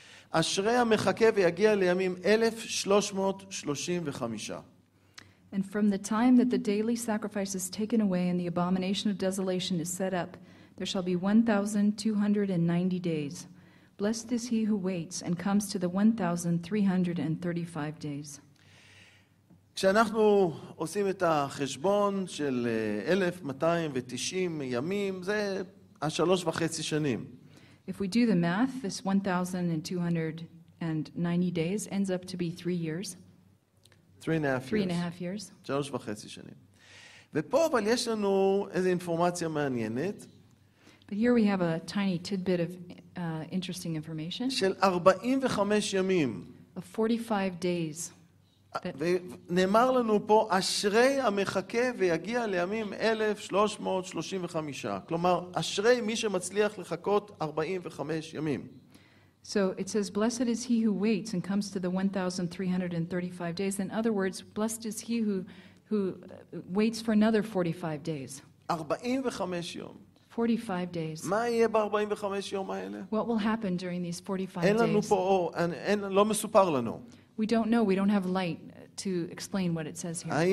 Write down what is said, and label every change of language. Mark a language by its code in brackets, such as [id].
[he] אשרי המחכה ויגיע לימים 1335. [en] And from the time that the daily sacrifice is taken away and the abomination of desolation is set up, there shall be 1290 days. Blessed is he who waits and comes to the 1335 days. [he] כשאנחנו עושים את החשבון של 1290 ימים, זה השלוש וחצי שנים. [en] If we do the math, this 1290 days ends up to be 3 years. 3.5 years. [he] שלוש וחצי שנים. ופה אבל יש לנו איזו אינפורמציה מעניינת. [en] But here we have a tiny tidbit of interesting information. [he] של 45 ימים. [en] Of 45 days. [he] ונאמר לנו פה אשרי המחכה ויגיע לימים 1335 כלומר אשרי מי שמצליח לחכות 45 ימים. [en] So it says blessed is he who waits and comes to the 1335 days. In other words, blessed is he who waits for another 45 days. [he] 45 יום. [en] 45 days. [he] מה יהיה ב-45 יום האלה? [en] What will happen during these 45 days? [he] אין לנו פה אור, לא מסופר לנו. [en] We don't know, we don't have light to explain what it says here.